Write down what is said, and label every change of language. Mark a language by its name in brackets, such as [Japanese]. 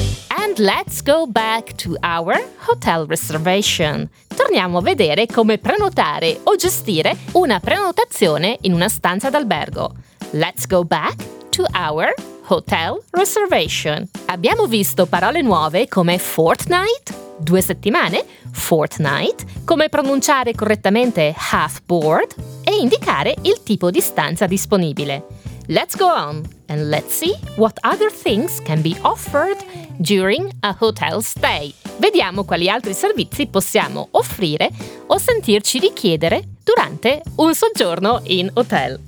[English] And let's go back to our hotel reservation. [Italian] Torniamo a vedere come prenotare o gestire una prenotazione in una stanza d'albergo. [English] Let's go back to our hotel reservation. [Italian] Abbiamo visto parole nuove come fortnight, due settimane, fortnight, come pronunciare correttamente half board e indicare il tipo di stanza disponibile. [English] Let's go on and let's see what other things can be offered during a hotel stay. [Italian] Vediamo quali altri servizi possiamo offrire o sentirci richiedere durante un soggiorno in hotel.